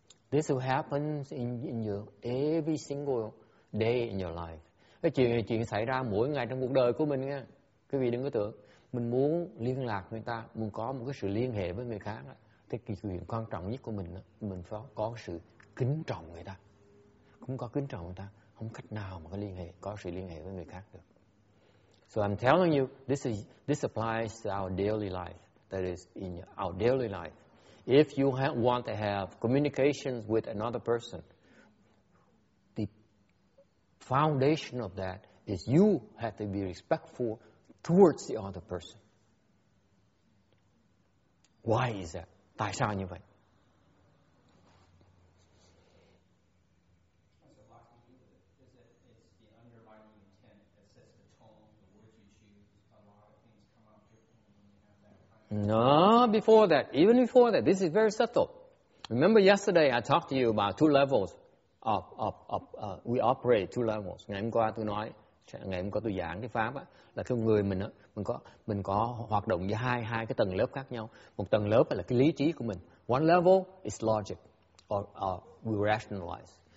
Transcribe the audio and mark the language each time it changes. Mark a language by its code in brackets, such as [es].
[en] This will happen in your every single day in your life. [vi] Cái chuyện xảy ra mỗi ngày trong cuộc đời của mình nha. Quý vị đừng có tưởng mình muốn liên lạc người ta, muốn có một cái sự liên hệ với người khác á, cái chuyện quan trọng nhất của mình đó, mình phải có sự kính trọng người ta. Không có kính trọng người ta, không cách nào mà có sự liên hệ với người khác được. [en] So I'm telling you, this applies to our daily life. That is, in our daily life. If you want to have communications with another person, the foundation of that is you have to be respectful towards the other person. Why is that? [vi] Tại sao như vậy? [en] No, before that, even before that, this is very subtle. Remember yesterday I talked to you about two levels of we operate two levels. [vi] Ngày hôm qua tôi nói, ngày hôm qua tôi giảng cái pháp á, là cái người mình á, mình có hoạt động với hai cái tầng lớp khác nhau. Một tầng lớp là cái lý trí của mình. [en] One level is logic, or we rationalize.